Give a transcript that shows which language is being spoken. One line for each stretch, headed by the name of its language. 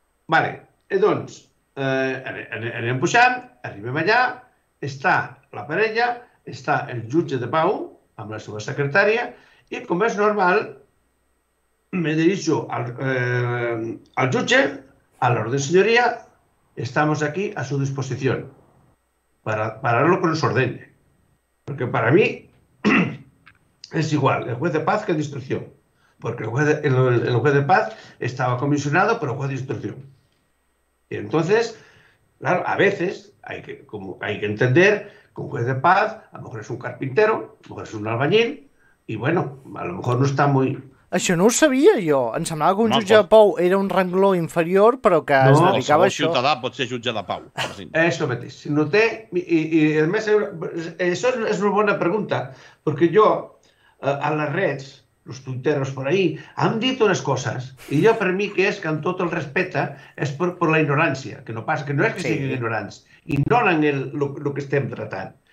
Catalan: Vale, i doncs, anem pujant, arribem allà, està la parella, està el jutge de pau amb la seva secretària i, com és normal,
Spanish: me dirijo al
Catalan: jutge, a l'ordre de senyoria,
Spanish: estamos aquí a su disposición para lo que nos ordene. Porque para mí es igual el juez de paz que el de instrucción. Porque el juez de paz estaba comisionado por el juez de instrucción. Y entonces, claro, a veces hay que entender que un juez de paz a lo mejor es un carpintero, a lo mejor es un albañil, y bueno, a lo mejor no está muy...
Catalan: Això no ho sabia jo. Em semblava que un jutge de pau era un rangló inferior, però que es dedicava a això. No, qualsevol ciutadà pot ser jutge de pau. Això mateix. Si no té... I a més, això és una bona pregunta, perquè jo, a les reds, els tuiteros per ahí, han dit unes coses, i jo per mi que és que amb tot el respecte és per la ignorància, que no passa, que no és que siguin ignorants, ignoren el que estem tratant.